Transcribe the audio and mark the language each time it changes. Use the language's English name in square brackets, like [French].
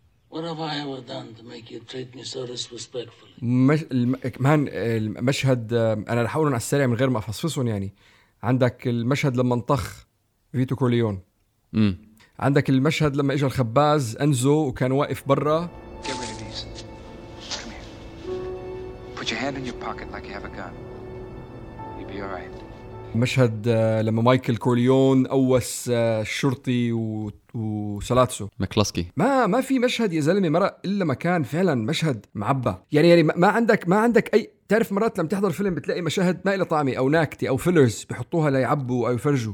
[English] What have I ever done to make you treat me so disrespectfully? [Arabic] مان المشهد، أنا رح أقولهم على السريع من غير ما أفصفصهم يعني. عندك المشهد لما انطخ فيتو كوليون. عندك المشهد لما إجا الخباز أنزو وكان واقف برا. [English] Get rid of these. Come here. Put your hand in your pocket like you have a gun. You'll be alright. [Arabic] مشهد لما مايكل كوليون أوس الشرطي وسلاتسو مكلاسكي. ما في مشهد يا زلمة مرة إلا ما كان فعلا مشهد معبى يعني ما عندك أي. تعرف مرات لما تحضر فيلم بتلاقي مشاهد ما إلى طعمي أو ناكتي أو فيلرز بيحطوها ليعبوا أو يفرجوا،